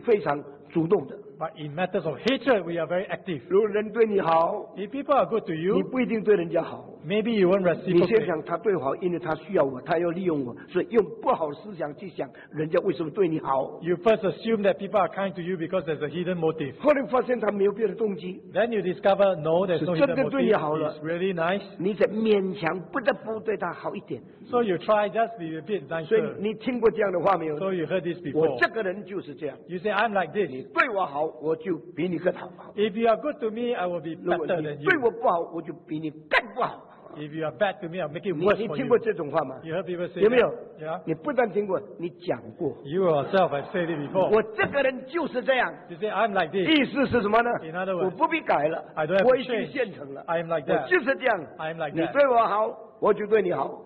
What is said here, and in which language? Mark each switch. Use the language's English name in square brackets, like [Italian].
[English] But in matters of hatred, we are very active. [Chinese] 如果人对你好, [English] if people are good to you, [Chinese] 你不一定对人家好, [English] maybe you won't reciprocate. [Chinese] 你先想他对我好, 因为他需要我, 他要利用我, 所以用不好思想去想人家为什么对你好, [English] you first assume that people are kind to you because there's a hidden motive. [Chinese] 后来发现他没有别的动机, [English] then you discover, no, there's no hidden motive. He's really nice. [Chinese] 你再勉强不得不对他好一点, [English] so you try just be a bit nicer. [Chinese] 所以你听过这样的话没有? [English] So you heard this before. [Chinese] 我这个人就是这样, [English] you say, I'm like this. [Chinese] 你对我好, 我就比你更好, [English] if you are good to me, I will be better than you. [Chinese] 如果你对我不好, 我就比你更不好, [English] if you are bad to me, I'll make it worse for you. [Chinese] 你听过这种话吗? [English] You heard people say, [Chinese] 有没有? [English] That? Yeah? [Chinese] 你不但听过, 你讲过, [English] you yourself have said it before. [Chinese] 我这个人就是这样, [English] you say, I'm like this. [Chinese] 意思是什么呢? [English] In other words, [Chinese] 我不必改了, [English] I don't have to change. [Chinese] 我已经现成了, [English] I'm like that. [Chinese] 我就是这样, [English] I'm like that. [Chinese] 你对我好, 我就对你好,